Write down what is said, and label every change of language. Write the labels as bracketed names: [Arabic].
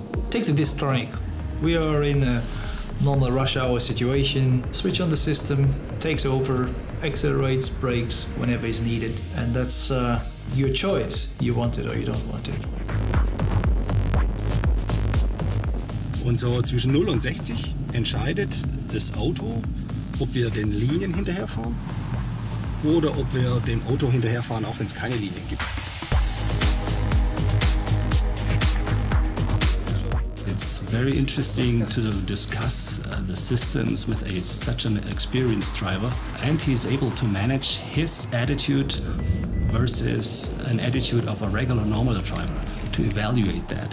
[English] Take this tonic. We are in a normal rush hour situation. Switch on the system, takes over, accelerates, brakes whenever is needed. And that's your choice. You want it or you don't want it. [German] Und so zwischen 0 und 60 entscheidet das Auto, ob wir den Linien hinterherfahren oder ob wir dem Auto hinterherfahren, auch wenn es keine Linien gibt. [English] It's very interesting to discuss the systems with such an experienced driver, and he's able to manage his attitude versus an attitude of a regular normal driver to evaluate that.